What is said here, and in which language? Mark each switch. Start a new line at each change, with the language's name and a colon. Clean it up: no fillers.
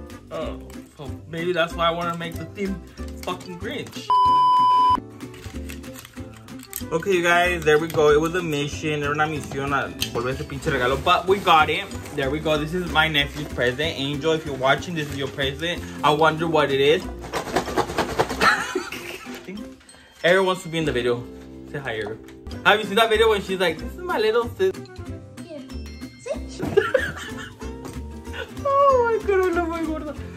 English: Oh, well, maybe that's why I want to make the theme fucking Grinch. Okay, you guys, there we go. It was a mission.
Spanish: Era una misión a volver ese pinche regalo.
English: But we got it. There we go. This is my nephew's present. Angel, if you're watching, this is your present. I wonder what it is. Erin wants to be in the video. Say hi, Erin. Have you seen that video when she's like, this is my little sis? Yeah.
Spanish: Sí.
English: Oh, my God.
Spanish: No, muy gorda.